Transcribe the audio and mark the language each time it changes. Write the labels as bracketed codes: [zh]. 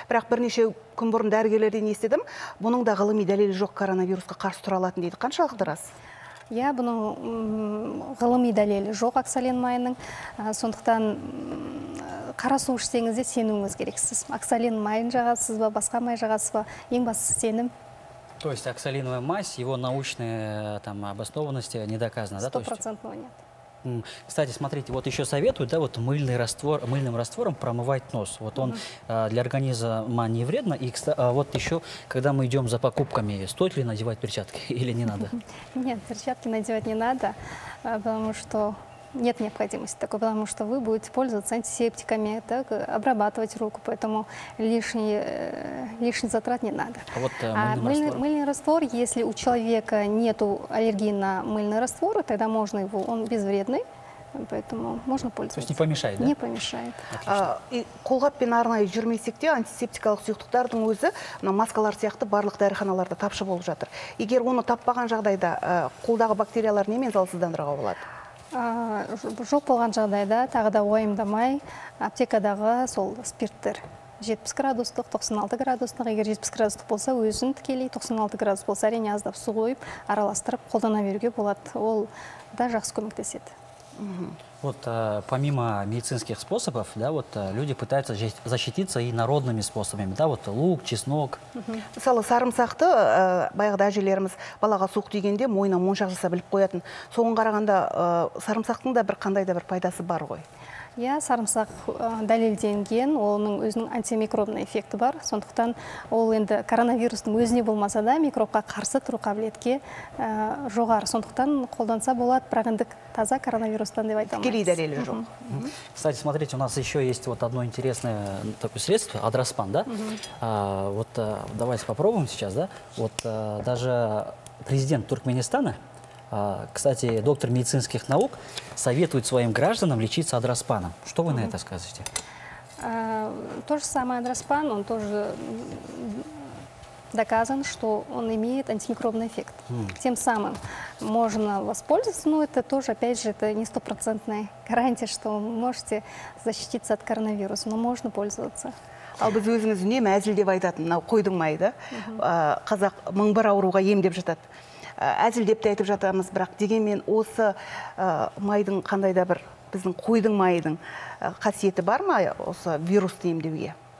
[kk] Бірақ бірнеше күн бұрын дәрігерлерден естідім, бұның да ғылыми дәлелі жоқ коронавирусқа қарсы тұра алатын дейді. Қаншалықты рас? Иә, бұның ғылыми дәлелі жоқ оксалин майының. Сондықтан қара су ішсеңізде сенуіңіз керек. Сіз оксалин майын жағасыз ба, басқа май жағасыз ба, ең бастысы сенім. [ru] То есть оксалиновая мазь, его научные там обоснованности не доказаны, да? 100% нет. Кстати, смотрите, вот еще советуют, да, вот мыльный раствор, мыльным раствором промывать нос. Вот он для организма не вредно. И вот еще, когда мы идем за покупками, стоит ли надевать перчатки или не надо? Нет, перчатки надевать не надо, потому что нет необходимости такой, потому что вы будете пользоваться антисептиками, так, обрабатывать руку, поэтому лишний затрат не надо. А вот мыльный раствор, если у человека нет аллергии на мыльный раствор, тогда можно его, он безвредный, поэтому можно пользоваться. То есть не помешает, да? Не помешает. [kk] А, и қолғаппен арнайы жүрмесекте антисептикалық сұйықтықтардың өзі, маскалар сияқты барлық дәріханаларда тапшы болып жатыр. Егер оны таппаған жағдайда, қолдағы бактериялар немен залсыздандыруға болады? Жоқ болған жағдайда тағы да уайымдамай аптекадағы сол спирттер 70 градустық, 96 градустық, егер 70 градустық болса, өзін тікелей 96 градус болса, әрине аздап су қойып, араластырып, қолдана беруге болады. Ол да жақсы көмектеседі. [ru] Вот помимо медицинских способов, да, вот люди пытаются защититься и народными способами, да, вот лук, чеснок. [kk] Мысалы, сарымсақты баяғыда әжелеріміз балаға суық дегенде мойнына моншақ жаса біліп қоятын. Соған қарағанда сарымсақтың да бір қандай да бір пайдасы бар ғой. Иә, сарымсақ дәлелденген, оның өзінің антимикробный эффекті бар. Сондықтан ол енді коронавирустың өзіне болмаса да, микробқа қарсы тұру қабілетке жоғары. Сондықтан қолданса болады, бірақ енді таза коронавирустан деп айтамыз. Тікелей дәлелі жоқ. [ru] Кстати, смотрите, у нас еще есть вот одно интересное такое средство, адраспан, да? Вот давайте попробуем сейчас, да? Вот даже президент Туркменистана, кстати, доктор медицинских наук советует своим гражданам лечиться адраспаном. Что вы на это скажете? То же самое адраспан, он тоже доказан, что он имеет антимикробный эффект. Тем самым можно воспользоваться, но это тоже, опять же, это не стопроцентная гарантия, что вы можете защититься от коронавируса, но можно пользоваться. [kk] Ал біз өзіміз үнемі әзіл деп айтатын, мынау қойдың майы, қазақ мың бір ауруға ем деп жатады. Әзілдеп те айтып жатамыз, бірақ дегенмен осы майдың қандай да бір біздің қойдың майының қасиеті бар ма осы вирусты емдеуге?